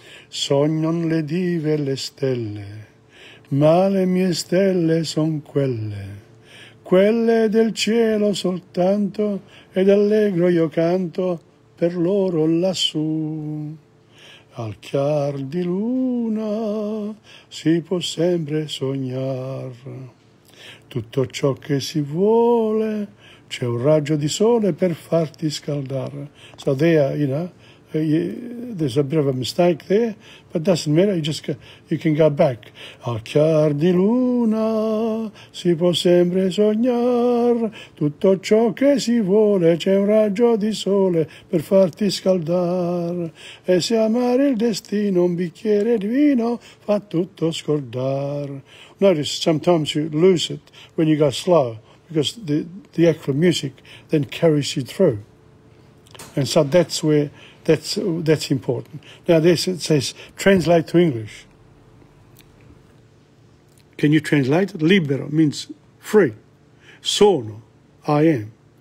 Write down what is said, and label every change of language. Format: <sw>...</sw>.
<it>Sognon le dive e le stelle, ma le mie stelle son quelle, quelle del cielo soltanto, ed allegro io canto per loro lassù. Al chiar di luna si può sempre sognar, tutto ciò che si vuole c'è un raggio di sole per farti scaldar.</it> <en>So there, you know, there's a bit of a mistake there, but doesn't matter, you can go back.</en> <it>Al chiar di luna si può sempre sognar, tutto ciò che si vuole c'è un raggio di sole per farti scaldar, e se amare il destino un bicchiere di vino fa tutto scordar.</it> <en>Notice sometimes you lose it when you go slow, because the actual music then carries you through. And so that's where that's important. Now this, it says translate to English. Can you translate? Libero means free. Sono, I am.</en>